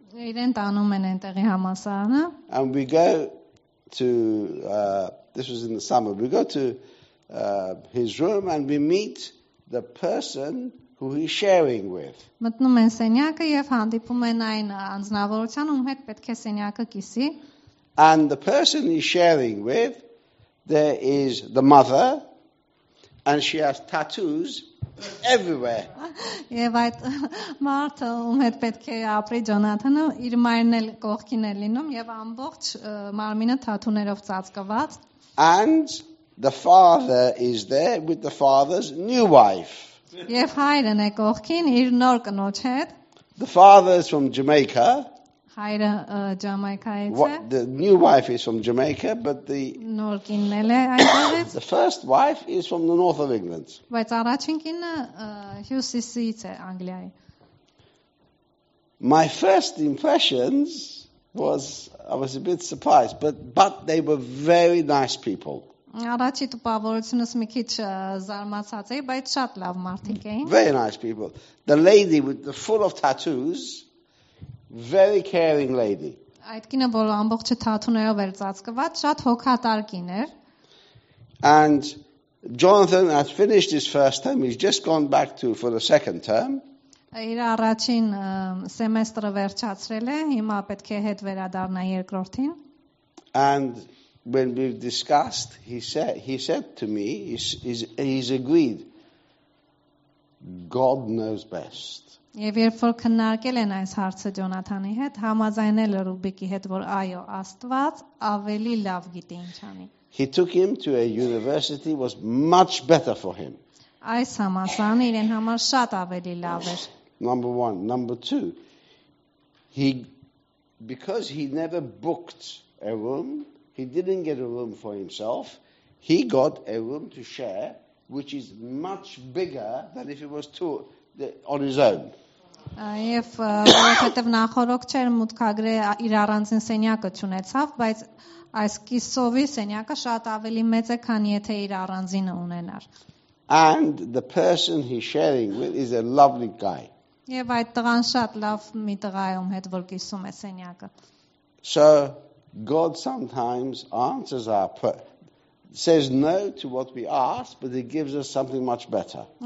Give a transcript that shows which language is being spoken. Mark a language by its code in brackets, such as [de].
[hy] Իրեն տանում են այնտեղի համալսարանը. [en] And we go to this was in the summer. We go to his room and we meet the person who he's sharing with. [hy] Մտնում են սենյակը եւ հանդիպում են այն անձնավորությանը, ում հետ պետք է սենյակը կիսի. [en] And the person he's sharing with, there is the mother, and she has tattoos everywhere. [hy] Եվ այդ մարդը, ում հետ պետք է ապրի Ջոնաթանը, իր մայրն էլ կողքին է լինում եւ ամբողջ մարմինը թաթուներով ծածկված. [en] And the father is there with the father's new wife. [hy] Եվ հայրն է կողքին իր նոր կնոջ հետ. [en] The father is from Jamaica. [hy] Հայրը Ջամայկայից է. [en] The new wife is from Jamaica, but the [hy] նոր կինն էլ է այնտեղից. [en] The first wife is from the north of England. [hy] Բայց առաջին կինը հյուսիսից է, Անգլիայի. [en] My first impressions was I was a bit surprised, but they were very nice people. [hy] Առաջի տպավորությունս մի քիչ զարմացած էի, բայց շատ լավ մարդիկ էին. [en] Very nice people. The lady with the full of tattoos, very caring lady. [hy] Այդ կինը, որ ամբողջը թաթուներով էր ծածկված, շատ հոգատար կին էր. [en] And Jonathan has finished his first term, he's just gone back to for the second term. [hy] Իր առաջին սեմեստրը վերջացրել է, հիմա պետք է հետ վերադառնա երկրորդին. [en] And when we discussed, he said to me, he's agreed, God knows best. [hy] Եվ երբ որ քննարկել են այս հարցը Ջոնաթանի հետ, համաձայնել է Ռուբիկի հետ, որ այո, Աստված ավելի լավ գիտի ինչ անի. [en] He took him to a university was much better for him. [hy] Այս համասան իրեն համար շատ ավելի լավ էր. [en] Number one. Number two. Because he never booked a room, he didn't get a room for himself. He got a room to share, which is much bigger than if it was on his own. [hy] Եվ որովհետև նախորդ չէր մուտքագրե իր առանձին սենյակը ունեցավ, բայց այս կիսովի սենյակը շատ ավելի մեծ է, քան եթե իր առանձինը ունենար. [en] And the person he's sharing with is a lovely guy. [hy] Եվ այդ տղան շատ լավ մի տղա է, ում հետ որ կիսում է սենյակը. [en] So God sometimes answers our prayer. Says no to what we ask, but it gives us something much better.